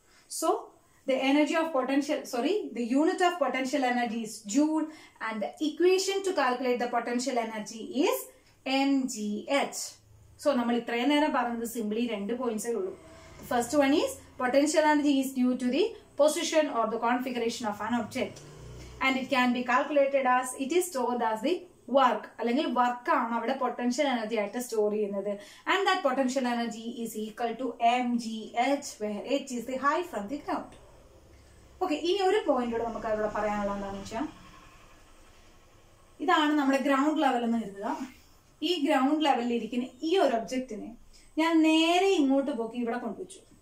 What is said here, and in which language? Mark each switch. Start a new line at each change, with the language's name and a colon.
English: So the energy of potential, sorry, the unit of potential energy is joule, and the equation to calculate the potential energy is M G H. So
Malayalam: നമ്മൾ ഇത്രയും നേരം പറഞ്ഞത് simply രണ്ട് പോയിന്റ്സേ ഉള്ളൂ.
English: First one is potential energy is due to the position or the configuration of an object. and it can be calculated as, it is stored as the work,
Malayalam: അല്ലെങ്കിൽ work ആണ് അവിടെ potential energy ആയിട്ട് store ചെയ്യുന്നത്.
English: And that potential energy is equal to M G H where H is the high from the ground.
Malayalam: Okay, ഇനി ഒരു point കൂടെ നമുക്ക് അവിടെ പറയാനുള്ള എന്താണെന്ന് വെച്ചാൽ, ഇതാണ് നമ്മുടെ ഗ്രൗണ്ട് ലെവൽ എന്ന് കരുതുക. ഈ ഗ്രൗണ്ട് ലെവലിൽ ഇരിക്കുന്ന ഈ ഒരു ഒബ്ജക്റ്റിനെ ഞാൻ നേരെ ഇങ്ങോട്ട് പോക്കി ഇവിടെ കൊണ്ടുവച്ചു.